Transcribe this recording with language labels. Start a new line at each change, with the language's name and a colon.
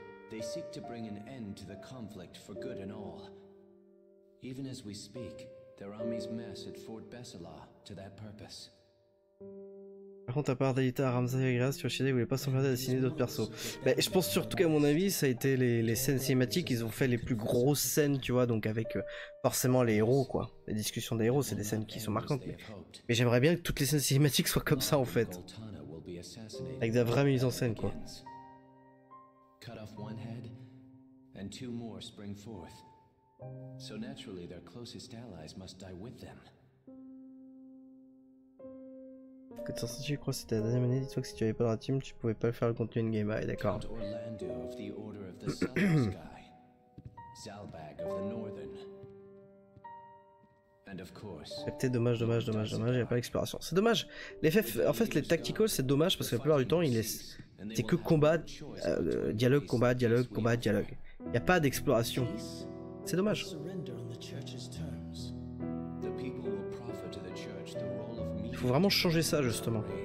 English: They seek to bring an end to the conflict for good and all. Even as we speak, their armies mass at Fort Bessala to that purpose.
French: Par contre, à part Delita, Ramsay et Grace, Yoshida, ils voulaient pas s'emmerder à dessiner d'autres persos. Bah, je pense surtout qu'à mon avis, ça a été les scènes cinématiques, ils ont fait les plus grosses scènes, tu vois, donc avec forcément les héros, quoi. La discussion des héros, c'est des scènes qui sont marquantes, mais j'aimerais bien que toutes les scènes cinématiques soient comme ça, en fait. Avec de la vraie mise en scène, quoi.
English: Cut off one head, and two more spring forth. So naturally, their closest allies must die with them.
French: Que t'en sais-tu, je crois que c'était la deuxième année. Dis-toi que si tu avais pas dans la team, tu pouvais pas faire le contenu in-game. Ah, d'accord.
English: Count Orlando of the Order of the Southern Sky, Zalbag of the Northern, and of course.
French: C'est peut-être dommage. Il y a pas l'exploration. C'est dommage. Les FF, en fait, les tacticals, c'est dommage parce que la plupart du temps, c'est que combat, dialogue, combat, dialogue, combat, dialogue. Il y a pas d'exploration. C'est dommage. Il faut vraiment changer ça justement.